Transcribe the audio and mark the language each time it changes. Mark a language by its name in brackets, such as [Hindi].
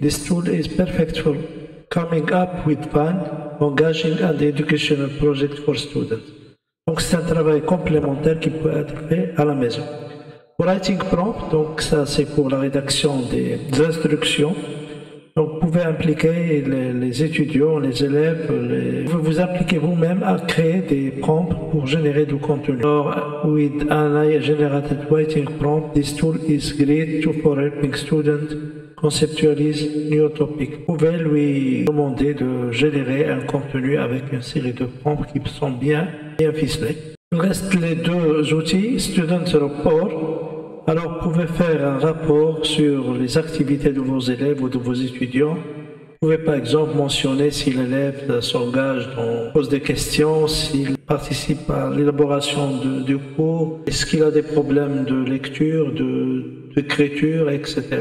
[English] This tool is perfect for coming up with fun, engaging and educational project for students. [French] Donc, c'est un travail complémentaire qui peut être fait à la maison. Writing prompt, donc ça c'est pour la rédaction des instructions. Donc, vous pouvez impliquer les étudiants, les élèves, vous impliquez vous-même à créer des prompts pour générer du contenu. [English] Alors, with an AI-generated writing prompt, this tool is great to for helping students conceptualize new topic. [French] Vous pouvez lui demander de générer un contenu avec une série de prompts qui sont bien ficelés. Il reste les deux outils, Student Report. Alors, vous pouvez faire un rapport sur les activités de vos élèves ou de vos étudiants. Vous pouvez par exemple mentionner si l'élève s'engage, pose des questions, s'il participe à l'élaboration du cours, est-ce qu'il a des problèmes de lecture, d'écriture, etc.